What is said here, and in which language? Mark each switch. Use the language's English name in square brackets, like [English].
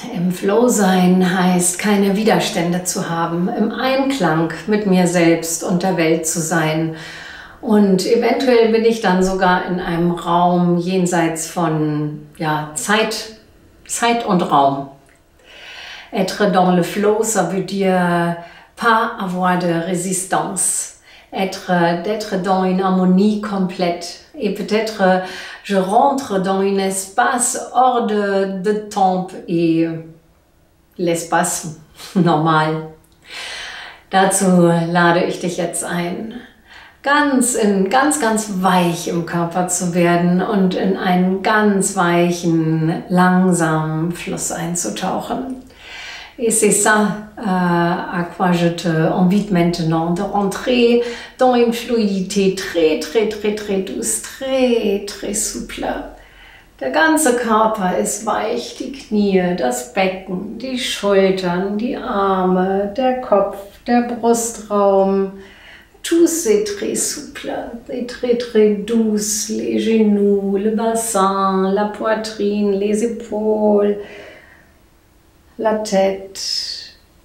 [German] Flow sein heißt, keine Widerstände zu haben, im Einklang mit mir selbst und der Welt zu sein. Und eventuell bin ich dann sogar in einem Raum jenseits von ja, Zeit und Raum. [French] Être dans le flow, ça veut dire pas avoir de résistance. D'être dans une harmonie complète. Et peut-être je rentre dans un espace hors de temps et l'espace normal. [German] Dazu lade ich dich jetzt ein, ganz weich im Körper zu werden und in einen ganz weichen, langsamen Fluss einzutauchen. [French] Et c'est ça à quoi je te invite maintenant, de rentrer dans une fluidité très, très, très, très douce, très, très souple. [German] Der ganze Körper ist weich, die Knie, das Becken, die Schultern, die Arme, der Kopf, der Brustraum. [French] Tout c'est très souple, et très très douce, les genoux, le bassin, la poitrine, les épaules, la tête.